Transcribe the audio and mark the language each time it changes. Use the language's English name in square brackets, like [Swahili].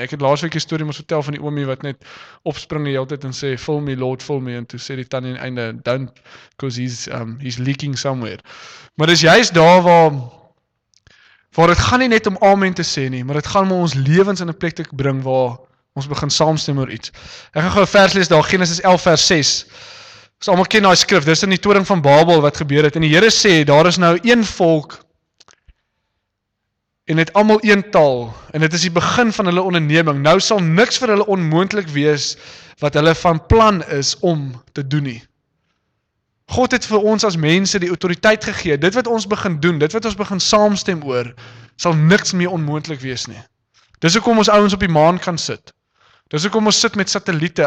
[Afrikaans] Ek het laatst week die story moest vertel van die oomie wat net opspring die hele tyd en sê, vul me Lord, vul me, en toe sê die tannie in einde, [English] don't, because he's leaking somewhere. [Afrikaans] Maar dis juist daar waar het gaan nie net om amen te sê nie, maar het gaan om ons levens in 'n plek te bring waar ons begin saamstem oor iets. Ek gaan gou 'n vers lees daar, Genesis 11 vers 6. Ons almal ken daai skrif, dis in die toring van Babel wat gebeur het. En die Here sê, daar is nou een volk en het almal een taal. En dit is die begin van hulle onderneming. Nou sal niks vir hulle onmoontlik wees wat hulle van plan is om te doen nie. God het vir ons as mense die autoriteit gegee, dit wat ons begin doen, dit wat ons begin saamstem oor, sal niks meer onmoontlik wees nie. Dis hoekom ons ouens op die maan kan sit. Dis hoekom ons sit met satelliete.